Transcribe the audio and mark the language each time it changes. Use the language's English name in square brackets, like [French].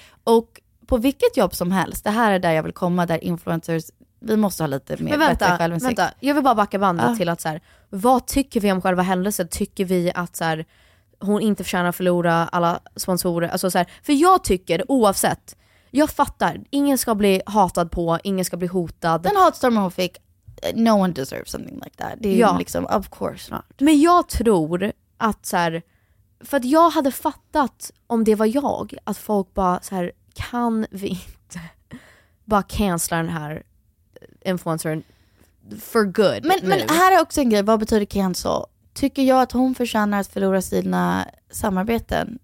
[Swedish] Och på vilket jobb som helst, det här är där jag vill komma, där influencers, vi måste ha lite mer bättre självinsikt. Vänta, jag vill bara backa bandet till att så här, vad tycker vi om själva händelsen? Tycker vi att så här, hon inte förtjänar att förlora alla sponsorer? Alltså, så här, för jag tycker, oavsett, jag fattar, ingen ska bli hatad på, ingen ska bli hotad. Den hatstorm hon fick, [English] no one deserves something like that. [Swedish] Det är ja, liksom, [English] of course not. [Swedish] Men jag tror att så här, för att jag hade fattat om det var jag, att folk bara så här, kan vi inte bara cancella den här influencern [English] for good. [Swedish] Men här är också en grej, vad betyder cancel? Tycker jag att hon förtjänar att förlora sina samarbeten?